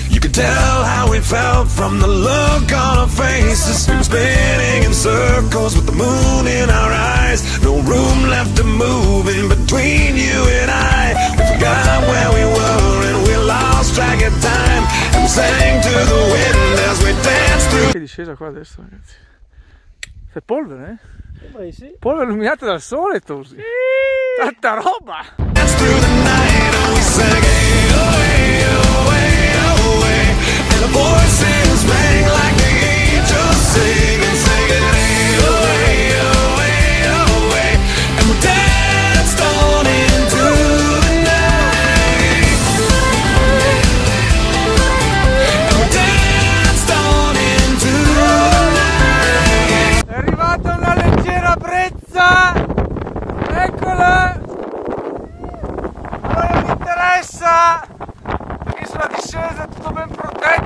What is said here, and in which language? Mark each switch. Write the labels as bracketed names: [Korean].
[English] Tell how we felt from the look on our faces. We were spinning in circles with the moon in our eyes. No room left to move in between you and I. We forgot where we were and we lost track of time. And we sang to the wind as we danced through. [Italian] È discesa qua adesso, ragazzi. C'è polvere, eh? Sì, sì. Polvere illuminata dal sole, Tosi. Sì. Tanta roba! [English] Dance through the night and we sang away, away. The voices rang like the angels sing and sing it away, away, away. And we danced on into the night. And we danced on into the night. [Italian] È arrivata una leggera brezza. Eccola. A voi non interessa. Perché sulla discesa è tutto ben pronto.